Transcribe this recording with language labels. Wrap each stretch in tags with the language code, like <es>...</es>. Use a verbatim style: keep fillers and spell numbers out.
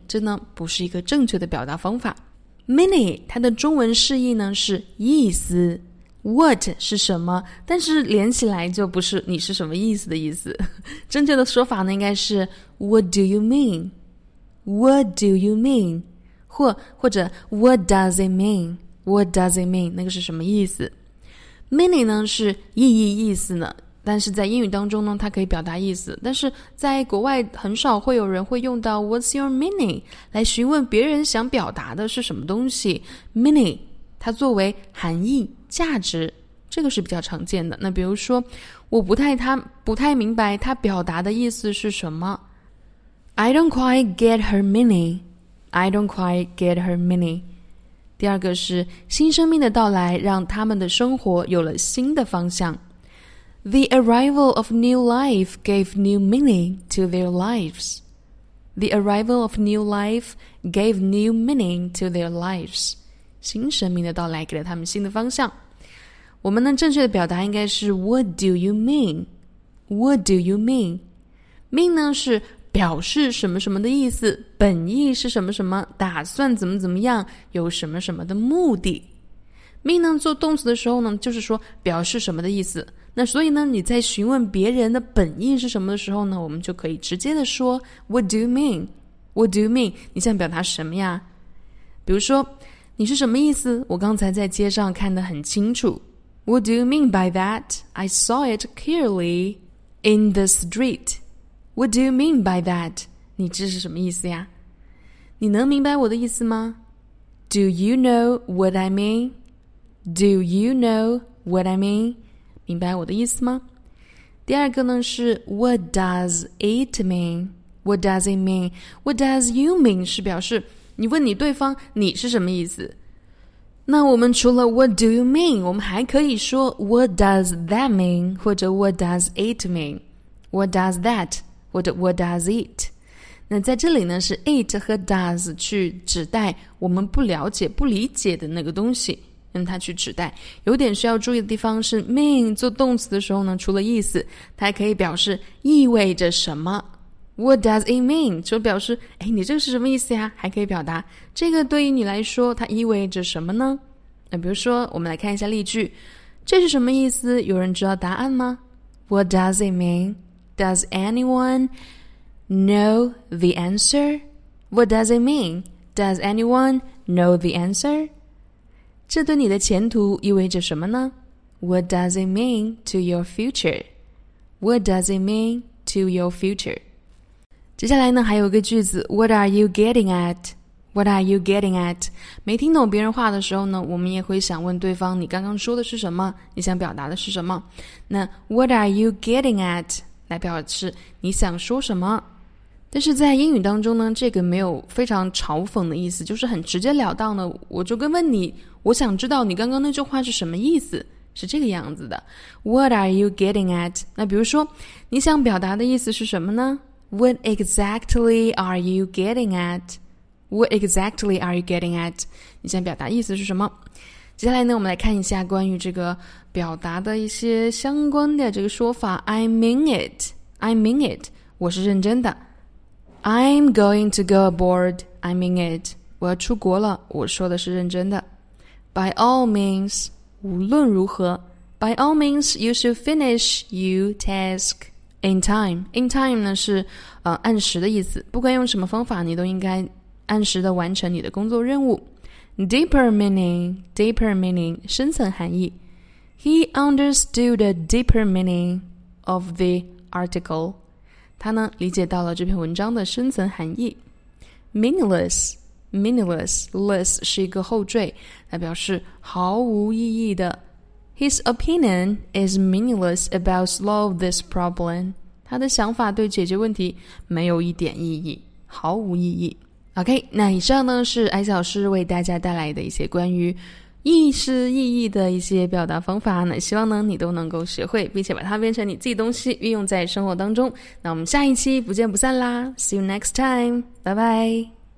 <zh>这呢不是一个正确的表达方法。Meaning 它的中文释义呢是意思。 What 是什么？但是连起来就不是你是什么意思的意思。正确的说法呢，应该是</zh> <en>What do you mean? What do you mean?</en> <zh>或或者</zh> <en>What does it mean? What does it mean?</en> <zh>那个是什么意思 ？Meaning 呢是意义、意思呢，但是在英语当中呢，它可以表达意思。但是在国外很少会有人会用到</zh> <en>What's your meaning</en> <zh>来询问别人想表达的是什么东西。 Meaning 它作为含义。价值，这个是比较常见的。那比如说，我不太他不太明白他表达的意思是什么。</zh> <en>I don't quite get her meaning. I don't quite get her meaning.</en> <zh>第二个是新生命的到来让他们的生活有了新的方向。</zh> <en>The arrival of new life gave new meaning to their lives. The arrival of new life gave new meaning to their lives.</en> <zh>新生命的到来给了他们新的方向。我们呢，正确的表达应该是</zh> <en>What do you mean? What do you mean?</en> <zh>Mean 呢是表示什么什么的意思，本意是什么什么，打算怎么怎么样，有什么什么的目的。 Mean 呢做动词的时候呢，就是说表示什么的意思。那所以呢，你在询问别人的本意是什么的时候呢，我们就可以直接的说</zh> <en>What do you mean? What do you mean?</en> <zh>你想表达什么呀？比如说。你是什么意思？我刚才在街上看得很清楚。</zh> <en>What do you mean by that? I saw it clearly in the street. What do you mean by that?</en> <zh>你这是什么意思呀？你能明白我的意思吗？</zh> <en>Do you know what I mean? Do you know what I mean?</en> <zh>明白我的意思吗？第二个呢是</zh> <en>What does it mean? What does it mean? What does you mean?</en> <zh>是表示你问你对方你是什么意思？那我们除了</zh> <en>What do you mean？</en> <zh>我们还可以说</zh> <en>What does that mean？或者 What does it mean？ What does that？或者 What does it？</en> <zh>那在这里呢，是 it 和 does 去指代我们不了解、不理解的那个东西，用它去指代。有点需要注意的地方是 mean 做动词的时候呢，除了意思，它还可以表示意味着什么。</zh> <en>What does it mean?</en> <zh>就表示，哎，你这个是什么意思呀？还可以表达这个对于你来说，它意味着什么呢？那比如说，我们来看一下例句，这是什么意思？有人知道答案吗</zh> <en>？What does it mean? Does anyone know the answer? What does it mean? Does anyone know the answer?</en> <zh>这对你的前途意味着什么呢</zh> <en>？What does it mean to your future? What does it mean to your future?</en> <zh>接下来呢，还有一个句子</zh> <en>What are you getting at? What are you getting at?</en> <zh>没听懂别人话的时候呢，我们也会想问对方你刚刚说的是什么，你想表达的是什么。</zh> <en>那 What are you getting at?</en> <zh>来表示你想说什么。但是在英语当中呢，这个没有非常嘲讽的意思，就是很直截了当的，我就跟问你，我想知道你刚刚那句话是什么意思，是这个样子的。</zh> <en>What are you getting at?</en> <zh>那比如说你想表达的意思是什么呢？</zh> <en>What exactly are you getting at? What exactly are you getting at?</en> <zh>你想表达意思是什么？接下来呢，我们来看一下关于这个表达的一些相关的这个说法。</zh> <en>I mean it. I mean it.</en> <zh>我是认真的。</zh> <en>I'm going to go abroad. I mean it.</en> <zh>我要出国了。我说的是认真的。</zh> <en>By all means.</en> <zh>无论如何。</zh> <en>By all means, you should finish your task.</en> <zh>In time, in time 呢是呃按时的意思，不管用什么方法，你都应该按时的完成你的工作任务。</zh> <en>Deeper meaning, deeper meaning</en> <zh>深层含义。</zh> <en>He understood the deeper meaning of the article.</en> <zh>他呢理解到了这篇文章的深层含义。Meaningless, meaningless, less 是一个后缀，来表示毫无意义的。</zh> <en>His opinion is meaningless about solve this problem.</en> <zh>他的想法对解决问题没有一点意义，毫无意义。OK， 那以上呢是艾小老师为大家带来的一些关于意思意义的一些表达方法呢，希望呢你都能够学会，并且把它变成你自己东西，运用在生活当中。那我们下一期不见不散啦 ，</zh> <en>See you next time，</en> <zh>拜拜。</zh>